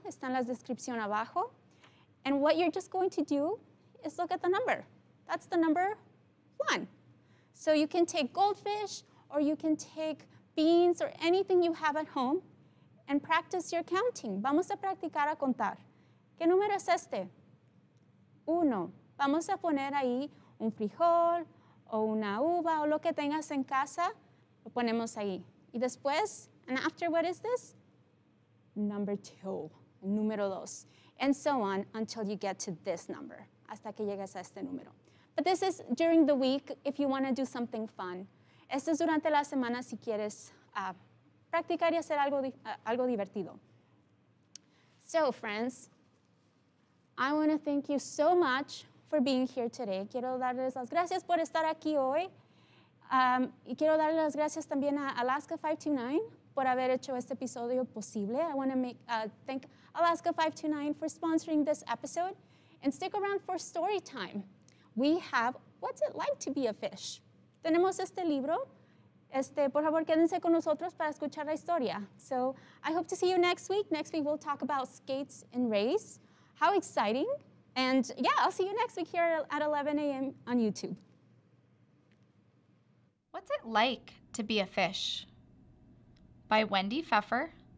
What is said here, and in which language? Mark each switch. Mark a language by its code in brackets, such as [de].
[es] Está en la descripción abajo. [en] And what you're just going to do is look at the number. That's the number one. So you can take goldfish or you can take beans or anything you have at home and practice your counting. [es] Vamos a practicar a contar. ¿Qué número es este? Uno. Vamos a poner ahí un frijol o una uva o lo que tengas en casa, lo ponemos ahí. Y después, [en] and after, what is this? Number two, [es] número dos. [en] And so on until you get to this number, [es] hasta que llegues a este número. [en] But this is during the week if you want to do something fun. [es] Esto es durante la semana si quieres practicar y hacer algo divertido. [en] So, friends, I want to thank you so much for being here today. [es] Quiero darles las gracias por estar aquí hoy. Y quiero darles las gracias también a Alaska 529 por haber hecho este episodio posible. [en] I want to thank Alaska 529 for sponsoring this episode. And stick around for story time. We have What's It Like to Be a Fish? [es] Tenemos este libro. Por favor, quédense con nosotros para escuchar la historia. [en] So I hope to see you next week. Next week, we'll talk about skates and rays. How exciting. And yeah, I'll see you next week here at 11 a.m. on YouTube. What's It Like to Be a Fish? By Wendy Pfeffer.